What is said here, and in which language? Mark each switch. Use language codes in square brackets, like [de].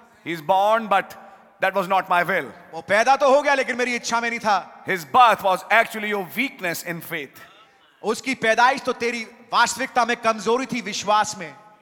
[en] He's born, but that was not my will. [hi] वो पैदा तो हो गया लेकिन मेरी इच्छा में नहीं था. [en] His birth was actually your weakness in faith. [hi] उसकी पैदाइश तो तेरी वास्तविकता में कमजोरी थी विश्वास में.